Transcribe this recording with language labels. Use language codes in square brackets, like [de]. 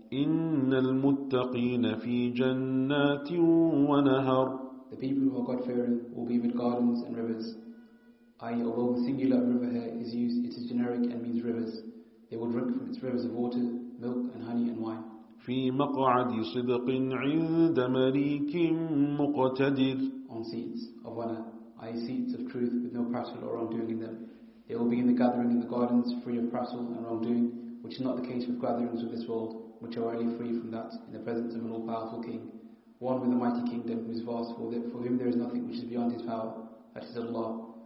[ar] إِنَّ الْمُتَّقِينَ فِي جَنَّاتٍ وَنَهَرٍ. [en] The people who are God-fearing will be with gardens and rivers. Although the singular river here is used, it is generic and means rivers. They will drink from its rivers of water, milk and honey and wine. [ar] في مقعد صدق عند مليك مقتدر. [en] On seats of honor, i.e. seats of truth with no prattle or wrongdoing in them. They will be in the gathering in the gardens free of prattle and wrongdoing, which is not the case with gatherings of this world, which are only free from that in the presence of an all-powerful king, one with a mighty kingdom who is vast, for whom there is nothing which is beyond his power, that is Allah.